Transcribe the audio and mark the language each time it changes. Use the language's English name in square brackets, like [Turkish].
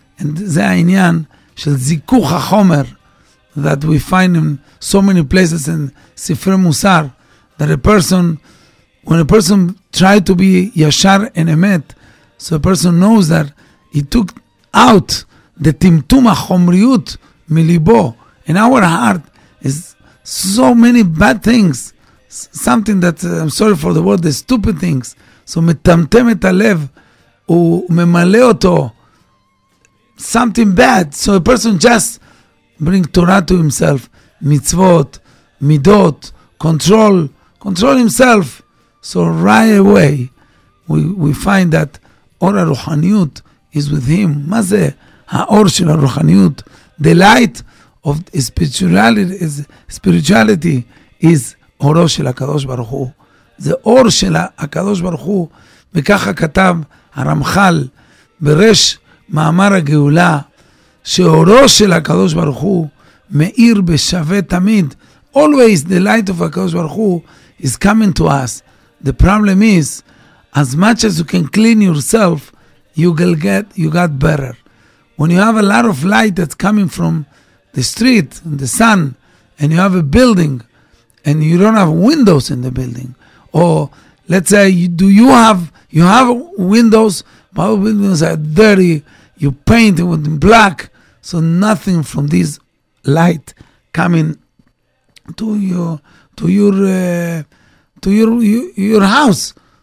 [English] And [Hebrew] זה העניין של זיכוך החומר [English] that we find in so many places in Sifre Musar, that a person, when a person try to be yashar and emet, so a person knows that he took out the timtum [Hebrew] החומריות מליבו. [English] In our heart is so many bad things, something that, I'm sorry for the word, the stupid things. [Hebrew] So מטמטם את הלב, הוא ממלא אותו, [English] something bad. So a person just bring Torah to himself, mitzvot, midot, control himself. So right away we find that [Hebrew] or haruchaniyut [English] is with him. [Hebrew] Ma ze haor shel haruchaniyut, [English] the light of spirituality is [Hebrew] oro shel hakadosh baruch hu, ze or shel hakadosh baruch hu. Vekacha katav haramchal beresh מאמר הגאולה, שאורו של הקדוש ברוך הוא מאיר בשווה תמיד. [English] Always the light of הקדוש ברוך הוא is coming to us. The problem is, as much as you can clean yourself, you got better. When you have a lot of light that's coming from the street, and the sun, and you have a building, and you don't have windows in the building, or let's say you have windows, but the windows are dirty, you paint it with black, so nothing from this light coming to your house.